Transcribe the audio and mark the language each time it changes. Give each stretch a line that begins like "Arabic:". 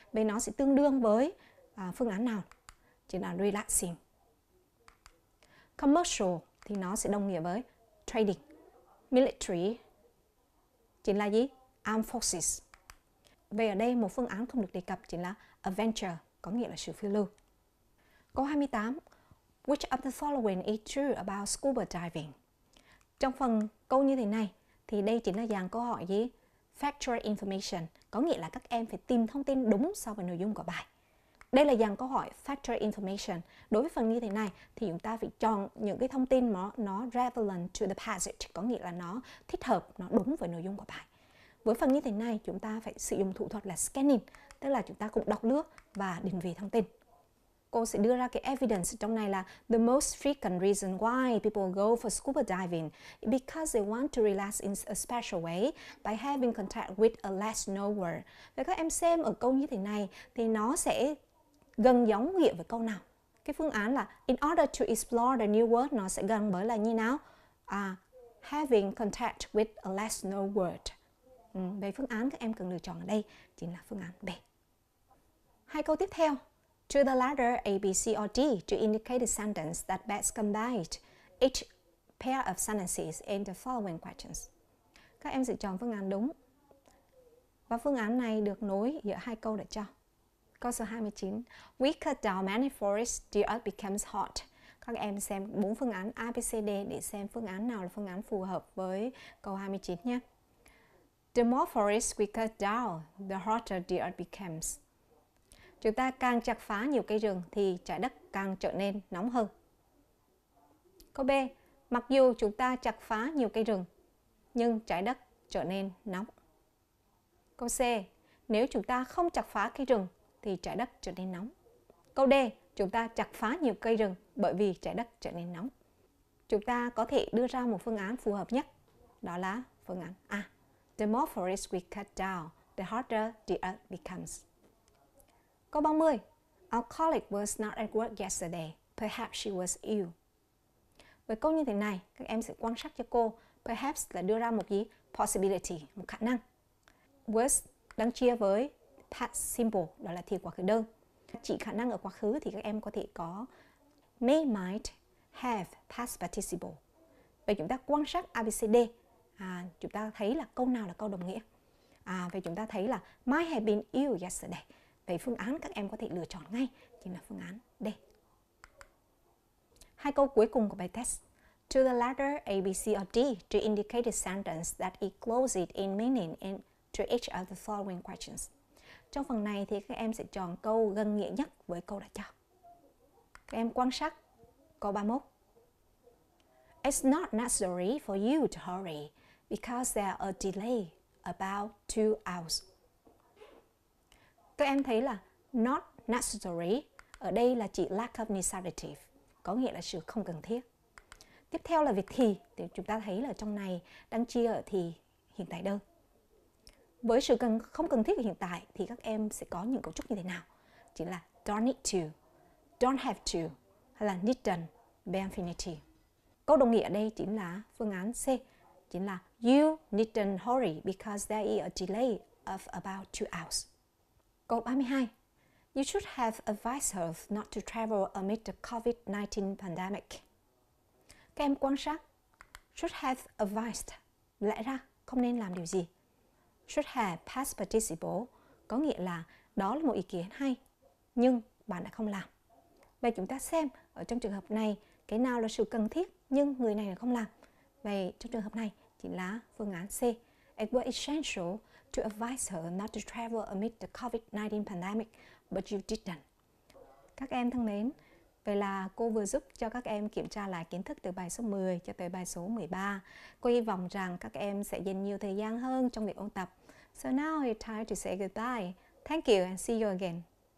Vietnamese: Vậy nó sẽ tương đương với phương án nào? Chính là relaxing. Commercial thì nó sẽ đồng nghĩa với trading. Military chính là gì?
English: Armed forces.
Vietnamese: Vậy ở đây một phương án không được đề cập chính là adventure, có nghĩa là sự phiêu lưu. Câu 28.
English: Which of the following is true about scuba diving?
Vietnamese: Trong phần câu như thế này, thì đây chính là dạng câu hỏi gì?
English: Factual information,
Vietnamese: có nghĩa là các em phải tìm thông tin đúng so với nội dung của bài. Đây là dạng câu hỏi factual information. Đối với phần như thế này, thì chúng ta phải chọn những cái thông tin mà nó
English: relevant to the passage,
Vietnamese: có nghĩa là nó thích hợp, nó đúng với nội dung của bài. Với phần như thế này, chúng ta phải sử dụng thủ thuật là scanning, tức là chúng ta cũng đọc lướt và định vị thông tin. Cô sẽ đưa ra cái
English: evidence
Vietnamese: trong này là
English: the most frequent reason why people go for scuba diving because they want to relax in a special way by having contact with a less known world.
Vietnamese: Vậy các em xem ở câu như thế này thì nó sẽ gần giống nghĩa với câu nào? Cái phương án là
English: in order to explore the new world
Vietnamese: nó sẽ gần với là như nào?
English: Having contact with a less known world.
Vietnamese: Về phương án các em cần lựa chọn ở đây chính là phương án B. Hai câu tiếp theo.
English: To the letter A, B, C, or D to indicate a sentence that best combines each pair of sentences in the following questions.
Vietnamese: Các em sẽ chọn phương án đúng. Và phương án này được nối giữa hai câu đã cho. Câu số 29.
English: We cut down many forests, the earth becomes hot.
Vietnamese: Các em xem bốn phương án A, B, C, D để xem phương án nào là phương án phù hợp với câu 29 nhé.
English: The more forests we cut down, the hotter the earth becomes.
Vietnamese: Chúng ta càng chặt phá nhiều cây rừng thì trái đất càng trở nên nóng hơn. Câu B. Mặc dù chúng ta chặt phá nhiều cây rừng, nhưng trái đất trở nên nóng. Câu C. Nếu chúng ta không chặt phá cây rừng thì trái đất trở nên nóng. Câu D. Chúng ta chặt phá nhiều cây rừng bởi vì trái đất trở nên nóng. Chúng ta có thể đưa ra một phương án phù hợp nhất. Đó là phương án A.
English: The more forests we cut down, the hotter the earth becomes.
Vietnamese: Câu 30.
English: Our colleague was not at work yesterday. Perhaps she was ill.
Vietnamese: Với câu như thế này, các em sẽ quan sát cho cô. Perhaps là đưa ra một gì? Possibility, một khả năng. Was đang chia với
English: past simple,
Vietnamese: đó là thì quá khứ đơn. Chỉ khả năng ở quá khứ thì các em có thể có
English: may, might, have, past participle.
Vietnamese: Vậy chúng ta quan sát ABCD, chúng ta thấy là câu nào là câu đồng nghĩa. Vậy chúng ta thấy là
English: might have been ill yesterday.
Vietnamese: Vậy phương án các em có thể lựa chọn ngay chính là phương án D. Hai câu cuối cùng của bài test.
English: To the letter A, B, C or D to indicate a sentence that it closes in meaning in to each of the following questions.
Vietnamese: Trong phần này thì các em sẽ chọn câu gần nghĩa nhất với câu đã cho. Các em quan sát câu 31.
English: It's not necessary for you to hurry because there are delay about 2 hours.
Vietnamese: Các em thấy là not necessary ở đây là chỉ
English: lack of necessity,
Vietnamese: có nghĩa là sự không cần thiết. Tiếp theo là việc thì chúng ta thấy là trong này đang chia ở thì hiện tại đơn. Với sự cần không cần thiết ở hiện tại thì các em sẽ có những cấu trúc như thế nào? Chỉ là
English: don't need to, don't have to hay là needn't be infinity.
Vietnamese: Câu đồng nghĩa ở đây chính là phương án C, chính là
English: you needn't hurry because there is a delay of about 2 hours.
Vietnamese: Câu 32.
English: You should have advised her not to travel amid the COVID-19 pandemic.
Vietnamese: Các em quan sát.
English: Should have advised.
Vietnamese: Lẽ ra không nên làm điều gì.
English: Should have past participle.
Vietnamese: Có nghĩa là đó là một ý kiến hay. Nhưng bạn đã không làm. Vậy chúng ta xem ở trong trường hợp này cái nào là sự cần thiết nhưng người này đã không làm. Vậy trong trường hợp này chính là phương án C.
English: It was essential to advise her not to travel amid the COVID-19 pandemic, but you didn't.
Vietnamese: Các em thân mến, vậy là cô vừa giúp cho các em kiểm tra lại kiến thức từ bài số 10 cho tới bài số 13. Cô hy vọng rằng các em sẽ dành nhiều thời gian hơn trong việc ôn tập.
English: So now it's time to say goodbye. Thank you and see you again.